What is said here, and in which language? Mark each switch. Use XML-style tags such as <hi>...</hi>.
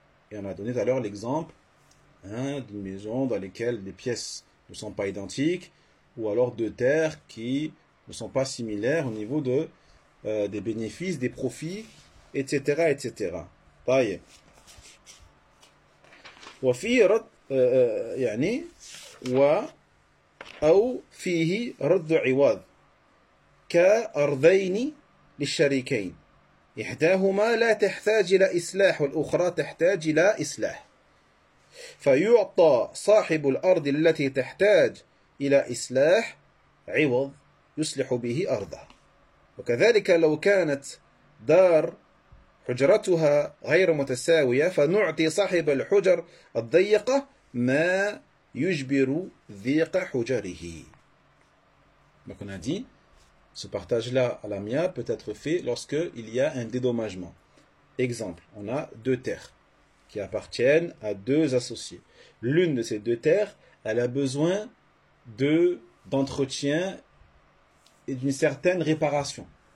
<fr>Et on a donné tout à l'heure l'exemple, hein, d'une maison dans laquelle les pièces ne sont pas identiques, ou alors deux terres qui ne sont pas similaires au niveau de des bénéfices, des profits, etc., etc.</fr> <ar>طيب. وفي رد يعني و أو فيه رد عوض كأرضين للشريكين إحداهما لا تحتاج إلى إصلاح والأخرى تحتاج إلى إصلاح فيعطى صاحب الأرض التي تحتاج إلى إصلاح عوض يصلح به أرضه وكذلك لو كانت دار حجرتها غير متساوية فنعطي صاحب الحجر الضيقة ما يجبر ضيق حجره</ar> <fr>Donc on a dit, ce partage-là à l'amiable peut être fait lorsque il y a un dédommagement. Exemple, on a deux terres qui appartiennent à deux associés. L'une de ces deux terres, elle a besoin d'entretien et d'une certaine réparation.</fr>